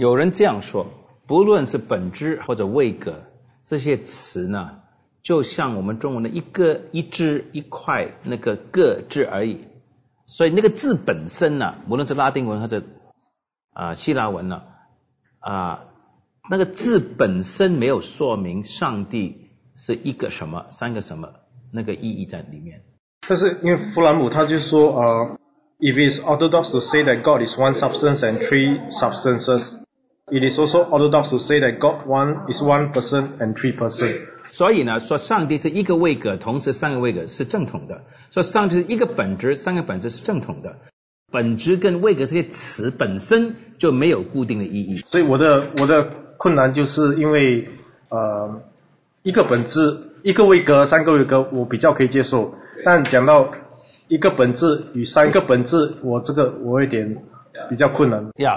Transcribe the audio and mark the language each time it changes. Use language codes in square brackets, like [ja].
[zh] 有人这样说，不论是本质或者位格，这些词呢就像我们中文的一个一只一块那个个字而已，所以那个字本身呢、无论是拉丁文或者希腊文呢那个字本身没有说明上帝是一个什么三个什么那个意义在里面。但是因为弗兰姆他就说 [en] If it's orthodox to say that God is one substance and three substances, it is also orthodox to say that God one is one person and three person. [zh] 所以呢，说上帝是一个位格，同时三个位格是正统的。说上帝是一个本质，三个本质是正统的。本质跟位格这些词本身就没有固定的意义。所以我的困难就是因为一个本质、一个位格、三个位格我比较可以接受，但讲到一个本质与三个本质，我有点比较困难。